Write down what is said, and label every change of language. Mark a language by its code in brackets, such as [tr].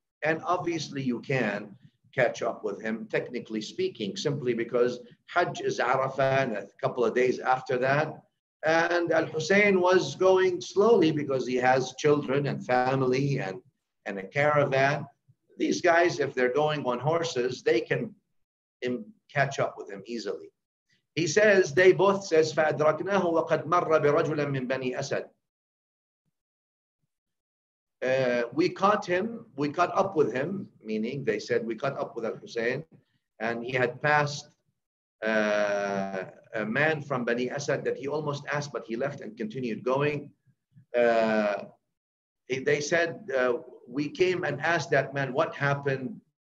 [en] And obviously you can catch up with him, technically speaking, simply because Hajj is Arafah and a couple of days after that. And Al-Hussein was going slowly because he has children and family and a caravan. These guys, if they're going on horses, they can catch up with him easily. He says, they both says, [ar] فَأَدْرَكْنَاهُ وَقَدْ مَرَّ بِرَجُلًا مِّن بَنِي أَسَدْ. [en] We caught him, we caught up with him, meaning they said we caught up with Al-Hussein, and he had passed a man from Bani Asad that he almost asked, but he left and continued going. They said, we came and asked that man, what happened?